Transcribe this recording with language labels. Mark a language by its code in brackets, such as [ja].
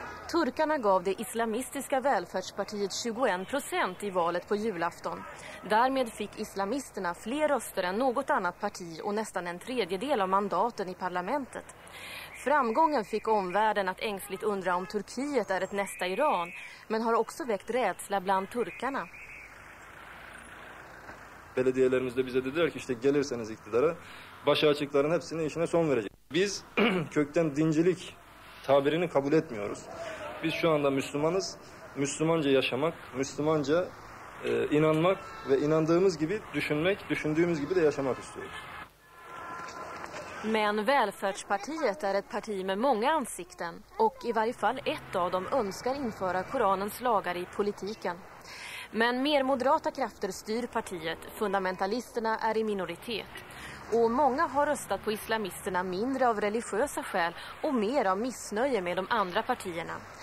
[sv] Turkarna gav det islamistiska välfärdspartiet 21% i valet på julafton. Därmed fick islamisterna fler röster än något annat parti och nästan en tredjedel av mandaten i parlamentet. Framgången fick omvärlden att ängsligt undra om Turkiet är ett nästa Iran, men har också väckt rädsla bland turkarna. [tr] Belediyelerimizde bize dediler ki işte gelirseniz iktidara başa açıkların hepsini işine son verecek. Biz kökten dincilik tabirini kabul etmiyoruz. Biz şu anda Müslümanız. Müslümanca yaşamak, Müslümanca inanmak ve inandığımız gibi düşünmek, düşündüğümüz gibi de yaşamak istiyoruz. [sv] Men välfärdspartiet är ett parti med många ansikten och i varje fall ett av dem önskar införa Koranens lagar i politiken. Men mer moderata krafter styr partiet, fundamentalisterna är i minoritet. Och många har röstat på islamisterna mindre av religiösa skäl och mer av missnöje med de andra partierna.